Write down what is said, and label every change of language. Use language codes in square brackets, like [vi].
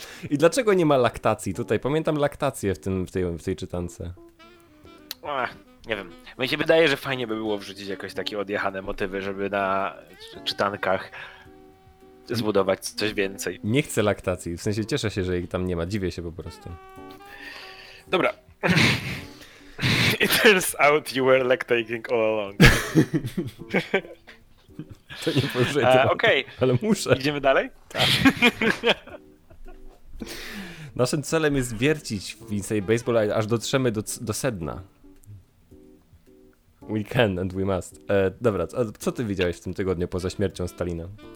[pl] I dlaczego nie ma laktacji tutaj? Pamiętam laktację w tej czytance. Nie wiem, mi się wydaje, że fajnie by było wrzucić jakoś takie odjechane motywy, żeby na czytankach zbudować coś więcej. Nie chcę laktacji, w sensie cieszę się, że jej tam nie ma, dziwię się po prostu. Dobra. [en] It turns out you were lactating all along. [pl] To nie poruszę tematu, okay. Ale muszę. Idziemy dalej? Tak. Naszym celem jest wiercić w Insane Baseball, aż dotrzemy do sedna. [en] We can and we must. [pl] Dobra, a co ty widziałeś w tym tygodniu poza śmiercią Stalina?